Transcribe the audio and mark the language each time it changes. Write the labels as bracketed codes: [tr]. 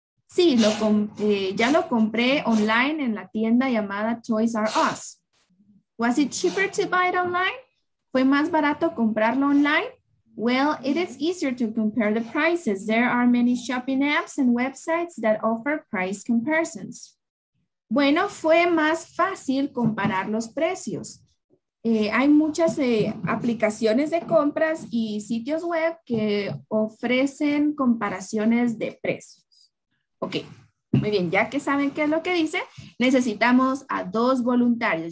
[es] Sí, ya lo compré online en la tienda llamada Toys R Us. [en] Was it cheaper to buy it online? [es] ¿Fue más barato comprarlo online? [en] Well, it is easier to compare the prices. There are many shopping apps and websites that offer price comparisons. [es] Bueno, fue más fácil comparar los precios. Hay muchas aplicaciones de compras y sitios web que ofrecen comparaciones de precios. Okay, Muy bien, ya que saben qué es lo que dice, necesitamos a dos voluntarios.